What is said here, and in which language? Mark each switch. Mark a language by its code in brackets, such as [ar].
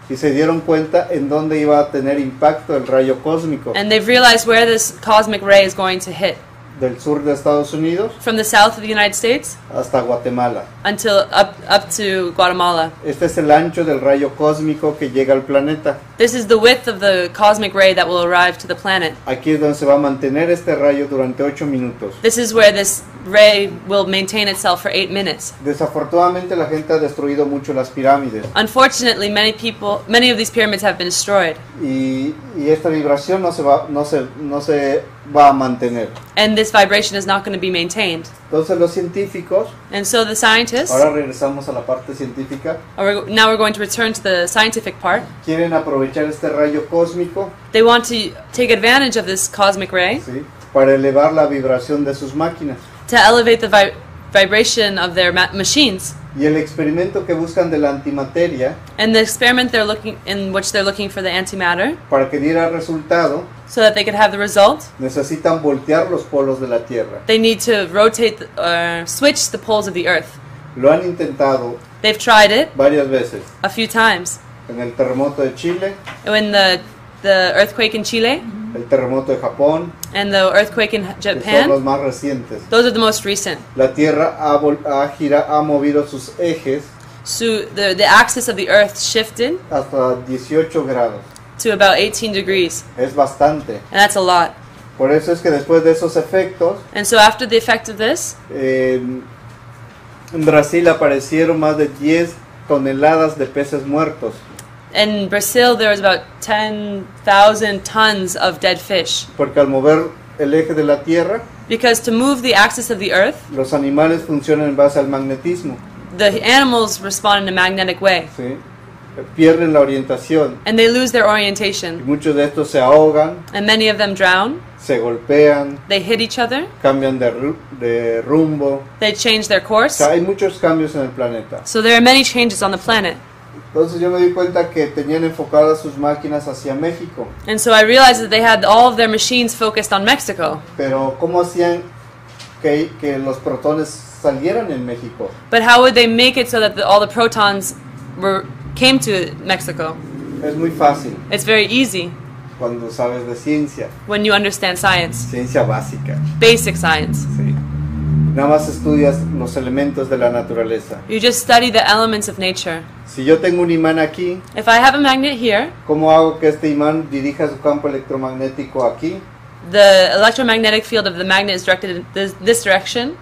[es] Y se dieron cuenta en dónde iba a tener impacto el rayo cósmico. [en] And they've realized where this cosmic ray is going to hit. [es] Del sur de Estados Unidos. [en] From the south of the United States. [es] Hasta Guatemala. [en] Until up to Guatemala. [es] Este es el ancho del rayo cósmico que llega al planeta. [en] This is the width of the cosmic ray that will arrive to the planet. [es] Aquí es donde se va a mantener este rayo durante 8 minutos. [en] This is where this ray will maintain itself for 8 minutes. [es] Desafortunadamente la gente ha destruido mucho las pirámides. [en] Unfortunately, many of these pyramids have been destroyed. [es] Y esta vibración no se va a mantener. [en] And this vibration is not going to be maintained. [es] Entonces los científicos. [en] And so the scientists. [es] Ahora regresamos a la parte científica. [en] Now we're going to return to the scientific part. [es] Quieren aprovechar este rayo cósmico. [en] They want to take advantage of this cosmic ray. [es] Sí, para elevar la vibración de sus máquinas. [en] To elevate the vibration of their machines. [es] Y el experimento que buscan de la antimateria. [en] And the experiment they're looking in which they're looking for the antimatter. [es] Para que diera resultado. [en] So that they could have the result. [es] Necesitan voltear los polos de la Tierra. [en] They need to rotate or switch the poles of the Earth. [es] Lo han intentado. [en] They've tried it. [es] Varias veces. [en] A few times. [es] En el terremoto de Chile. [en] In the earthquake in Chile. [es] El terremoto de Japón. [en] And the earthquake in Japan. [es] Son los más recientes. [en] Those are the most recent. [es] La Tierra ha movido sus ejes. [en] So the axis of the Earth shifted. [es] Hasta 18 grados. [en] To about 18 degrees. [es] Es bastante. [en] And that's a lot. [es] Por eso es que después de esos efectos. [en] And so after the effect of this. [es] En Brasil aparecieron más de 10 toneladas de peces muertos. [en] In Brazil, there was about 10,000 tons of dead fish. [es] Porque al mover el eje de la Tierra, [en] because to move the axis of the Earth, [es] los animales funcionan en base al magnetismo. [en] The animals respond in a magnetic way. [es] Sí. Pierden la orientación. [en] And they lose their orientation. [es] Y muchos de estos se ahogan. [en] And many of them drown. [es] Se golpean. [en] They hit each other. [es] Cambian de rumbo. [en] They change their course. [es] O sea, hay muchos cambios en el planeta. [en] So there are many changes on the planet. [es] Entonces yo me di cuenta que tenían enfocadas sus máquinas hacia México. [en] And so I realized that they had all of their machines focused on Mexico. [es] Pero ¿cómo hacían que los protones salieran en México? [en] But how would they make it so that all the protons came to Mexico? [es] Es muy fácil. [en] It's very easy. [es] Cuando sabes de ciencia. [en] When you understand science. [es] Ciencia básica. [en] Basic science. [es] Sí. Nada más estudias los elementos de la naturaleza. [en] You just study the elements of nature. [es] Si yo tengo un imán aquí, [en] if I have a magnet here, [es] ¿cómo hago que este imán dirija su campo electromagnético aquí? [en] The electromagnetic field of the magnet is directed in this direction.